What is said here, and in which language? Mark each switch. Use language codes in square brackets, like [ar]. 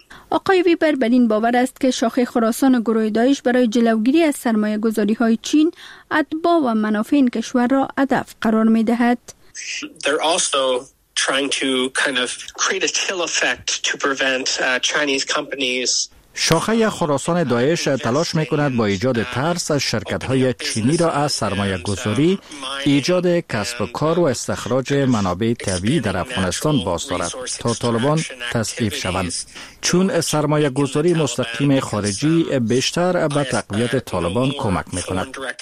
[fa] آقای ویبر بر این باور است که شاخه خراسان گروه داعش برای جلوگیری از سرمایه گذاری های چین، اتباع و منافع این کشور را هدف قرار می دهد. [en] They're also trying to kind of create a chill effect to prevent Chinese companies. [fa] شاخه خراسان داعش تلاش میکند با ایجاد ترس از شرکت های چینی را از سرمایه گذاری، ایجاد کسب و کار و استخراج منابع طبیعی در افغانستان باز دارد تا طالبان تضعیف شوند، چون سرمایه گذاری مستقیم خارجی بیشتر به تقویت طالبان کمک میکند.